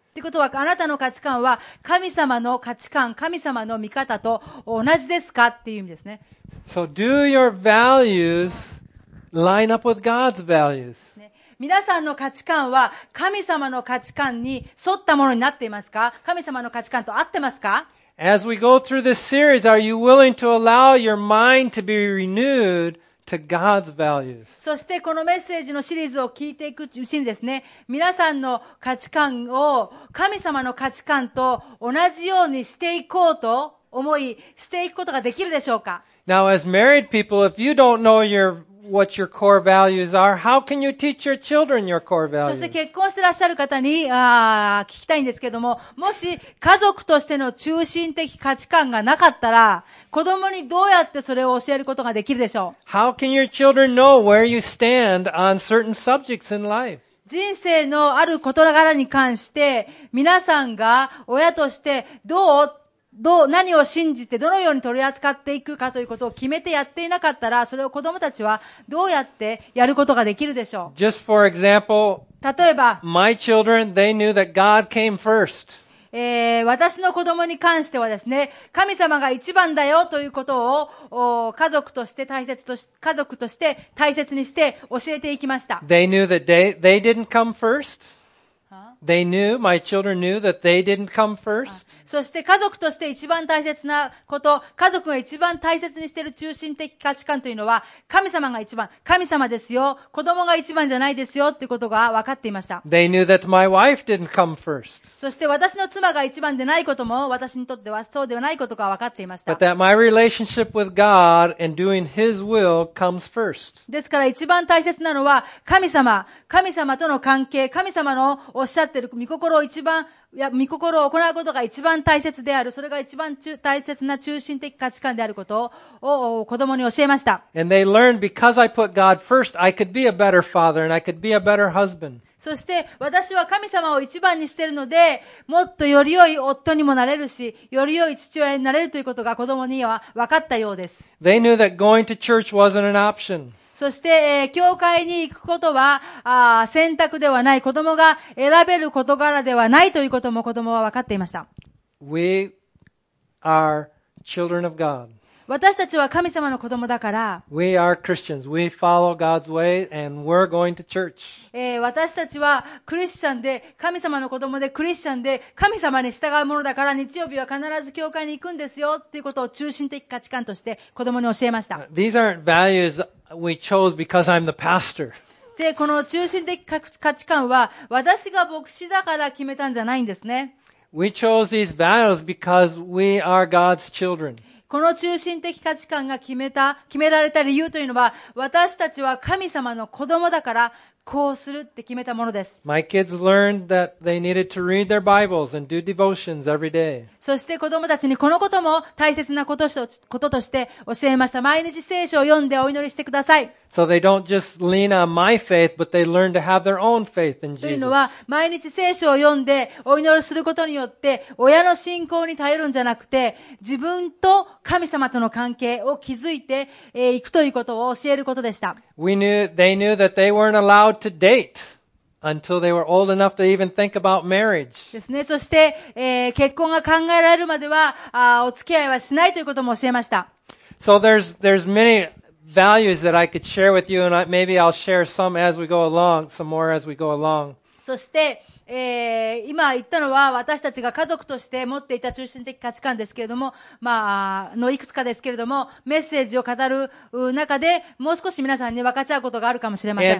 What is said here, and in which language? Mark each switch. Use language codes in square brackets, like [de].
[ja] ってことは、あなたの価値観は神様の価値観、神様の見方と同じですか？っていう意味ですね。 [en] So do your values line up with God's values? [ja] 皆さんの価値観は神様の価値観に沿ったものになっていますか？神様の価値観と合ってますか？ [en] As we go through this series, are you willing to allow your mind to be renewed to God's values? [ja] そしてこのメッセージのシリーズを聞いていくうちにですね、皆さんの価値観を神様の価値観と同じようにしていこうと思い、していくことができるでしょうか？ [en] Now, as married people, if you don't know yourWhat your core values are? How can you teach your children your core values? [ja] そして結婚してらっしゃる方に聞きたいんですけども、もし家族としての中心的価値観がなかったら、子供にどうやってそれを教えることができるでしょう [en] ？How can your children know where you stand on certain subjects in life? [ja] 人生のある事柄に関して、皆さんが親としてどう何を信じてどのように取り扱っていくかということを決めてやっていなかったら、それを子供たちはどうやってやることができるでしょう。 [en] Just for example, [ja] 例えば、 [en] my children, they knew that God came first. [ja] 私の子供に関してはですね、神様が一番だよということを家族として大切とし、家族として大切にして教えていきました。 [en] They knew that they didn't come first. They knew, my children knew that they didn't come first. [ja] そして家族として一番大切なこと、家族が一番大切にしている中心的価値観というのは、神様が一番、神様ですよ、子供が一番じゃないですよっていうことが分かっていました。 [en] They knew that my wife didn't come first. [ja] そして私の妻が一番でないことも、私にとってはそうではないことが分かっていました。 [en] But that my relationship with God and doing His will comes first. [ja] ですから一番大切なのは、神様、神様との関係、神様のおっしゃってる御心を一番、いや、御心を行うことが一番大切である。それが一番大切な中心的価値観であることを子供に教えました。 [en] And they learned because I put God first, I could be a better father and I could be a better husband. [ja] そして私は神様を一番にしているので、もっとより良い夫にもなれるし、より良い父親になれるということが子供には分かったようです。 [en] They knew that going to church wasn't an option. [ja] そして、教会に行くことは選択ではない、子供が選べる事柄ではないということも子供は分かっていました。 [en] We are children of God. [ja] 私たちは神様の子供だから。 [en] We are Christians. We follow God's way and we're going to church. [ja] 私たちはクリスチャンで、神様の子供でクリスチャンで、神様に従うものだから、日曜日は必ず教会に行くんですよということを中心的価値観として子供に教えました。 [en] These aren't values. We chose because I'm the pastor. [ja] で、この中心的価値観は、私が牧師だから決めたんじゃないんですね。 [en] We chose these values because we are God's children. [ja] この中心的価値観が決められた理由というのは、私たちは神様の子供だから、こうするって決めたものです。 [en] My kids learned that they needed to read their Bibles and do devotions every day. [ja] そして子供たちにこのことも大切なこととして教えました。毎日聖書を読んでお祈りしてください。 [en] So they don't just lean on my faith, but they learn to have their own faith in Jesus. [ja] というのは、毎日聖書を読んでお祈りすることによって、親の信仰に頼るんじゃなくて、自分と神様との関係を築いていくということを教えることでした。 [en] They knew that they weren't allowed to date until they were old enough to even think about marriage. [ja] ですね。そして、結婚が考えられるまでは、お付き合いはしないということも教えました。 [en] So there's manyValues that I could share with you, and maybe I'll share some as we go along, some more as we go along. [ja] そして、今言ったのは私たちが家族として持っていた中心的価値観ですけれども、まあのいくつかですけれども、メッセージを語る中でもう少し皆さんに分かち合うことがあるかもしれません。